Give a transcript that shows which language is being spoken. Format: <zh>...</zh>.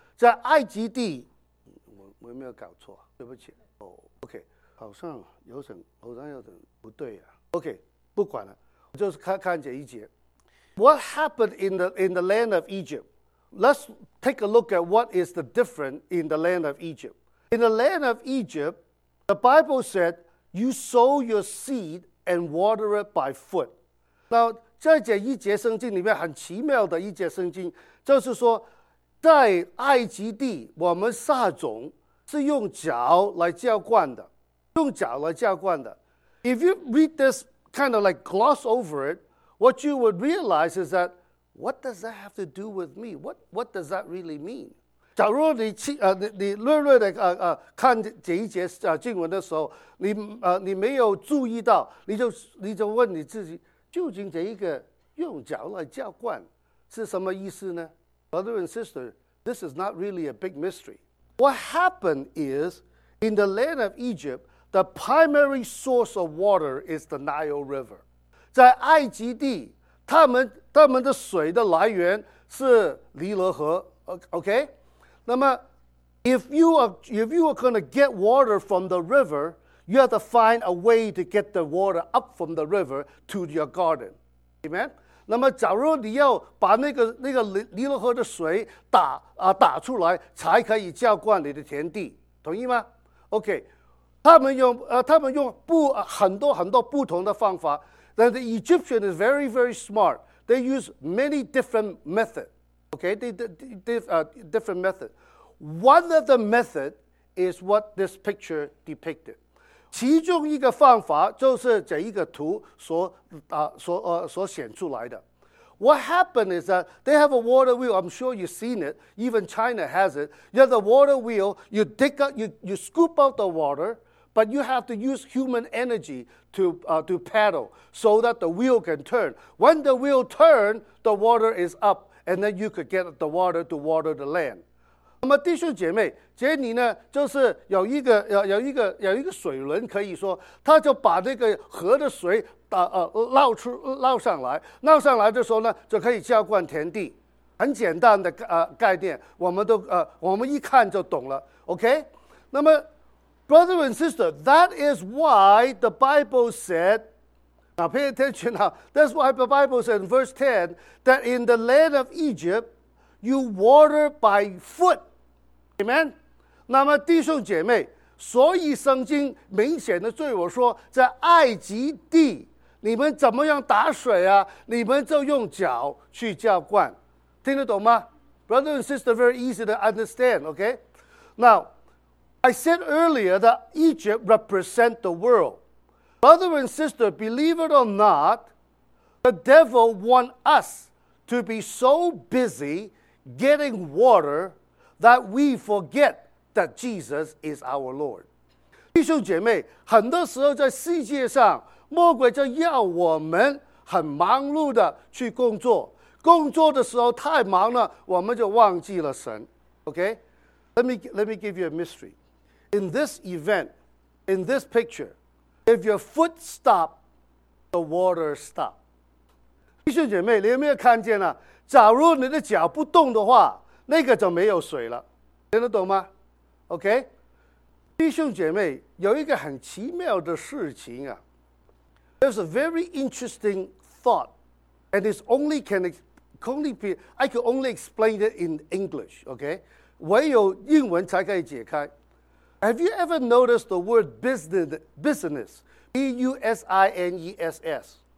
<zh>在埃及地，我有没有搞错？对不起。OK。好像有点，好像有点不对啊。 OK， 不管了，就是看这一节。</zh> <en>What happened in the land of Egypt? Let's take a look at what is the difference in the land of Egypt. In the land of Egypt, the Bible said, "You sow your seed and water it by foot."</en> <zh>Now， 在这一节圣经里面很奇妙的一节圣经，就是说，在埃及地，我们撒种是用脚来浇灌的。用脚来浇灌的。</zh> <en>If you read this kind of like gloss over it, what you would realize is that what does that have to do with me? What does that really mean?</en> <zh>假如你略略的看这一节经文的时候，你没有注意到，你就问你自己，究竟这一个用脚来浇灌是什么意思呢？</zh> <en>Brother and sister, this is not really a big mystery. What happened is in the land of Egypt,The primary source of water is the Nile River.</en> <zh>在埃及地，他们的水的来源是尼罗河。</zh> <en>Okay? 那么 if you are going to get water from the river, you have to find a way to get the water up from the river to your garden. Amen?</en> <zh>那么假如你要把那个尼罗河的水打出来，才可以浇灌你的田地。同意吗？Okay. 他们用很多不同的方法。</zh> <en>Now, the Egyptian is very, very smart. They use many different methods. Okay, different methods. One of the methods is what this picture depicted. 其中一个方法就是这一个图所显出来的。 What happened is that they have a water wheel. I'm sure you've seen it. Even China has it. You have the water wheel. You dig up, you scoop out the water. But you have to use human energy to paddle so that the wheel can turn. When the wheel turns, the water is up, and then you could get the water to water the land.</en> <zh>那么弟兄姐妹，这里呢，就是有一个水轮，可以说他就把那个河的水捞上来的时候呢，就可以浇灌田地。很简单的概念，我们一看就懂了。 OK， 那么。</zh> <en>Brother and sister, that is why the Bible said, now pay attention now, that's why the Bible said in verse 10, that in the land of Egypt, you water by foot. Amen?</en> <zh>那么弟兄姐妹，所以圣经明显的对我说，在埃及地，你们怎么样打水啊？你们就用脚去浇灌。听得懂吗？</zh> <en>Brother and sister, very easy to understand, okay? Now,I said earlier that Egypt represents the world. Brother and sister, believe it or not, the devil wants us to be so busy getting water that we forget that Jesus is our Lord.</en> <zh>弟兄姐妹，很多时候在世界上，魔鬼就要我们很忙碌的去工作，工作的时候太忙了，我们就忘记了神。</zh> <en>Okay? Let me give you a mystery. In this event, in this picture, if your foot stop, the water stop.</en> <zh>弟兄姐妹，你有没有看见啊？假如你的脚不动的话，那个就没有水了。听得懂吗？Okay? 弟兄姐妹，有一个很奇妙的事情啊。</zh> <en>There's a very interesting thought, and it's only I can only explain it in English. Okay,</en> <zh>唯有英文才可以解开。</zh> <en>Have you ever noticed the word business, B-U-S-I-N-E-S-S?</en>